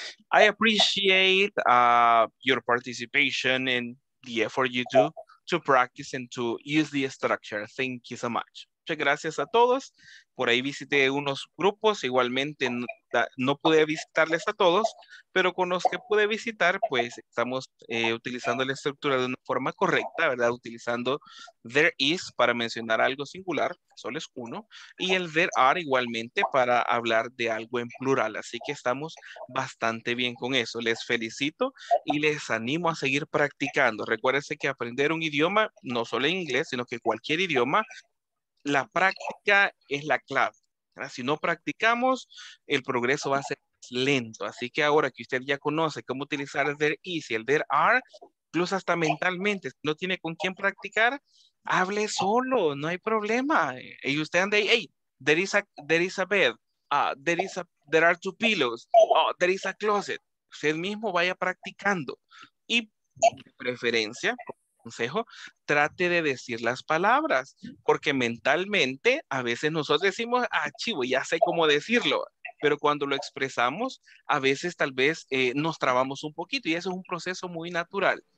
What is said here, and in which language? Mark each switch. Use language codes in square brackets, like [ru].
[en] I appreciate your participation and the effort you do to practice and to use the structure. Thank you so much. [es] Muchas gracias a todos. Por ahí visité unos grupos. Igualmente, no pude visitarles a todos, pero con los que pude visitar, pues estamos utilizando la estructura de una forma correcta, ¿verdad? Utilizando there is para mencionar algo singular, solo es uno, y el there are igualmente para hablar de algo en plural. Así que estamos bastante bien con eso. Les felicito y les animo a seguir practicando. Recuérdense que aprender un idioma, no solo inglés, sino que cualquier idioma, la práctica es la clave. Si no practicamos, el progreso va a ser lento. Así que ahora que usted ya conoce cómo utilizar el there is y el there are, incluso hasta mentalmente, si no tiene con quién practicar, hable solo, no hay problema. Y usted anda ahí, [en] hey, there is a bed, there are two pillows, there is a closet. [es] Usted mismo vaya practicando. Y de preferencia, consejo, trate de decir las palabras, porque mentalmente a veces nosotros decimos, ah, chivo, ya sé cómo decirlo, pero cuando lo expresamos, a veces tal vez nos trabamos un poquito y eso es un proceso muy natural.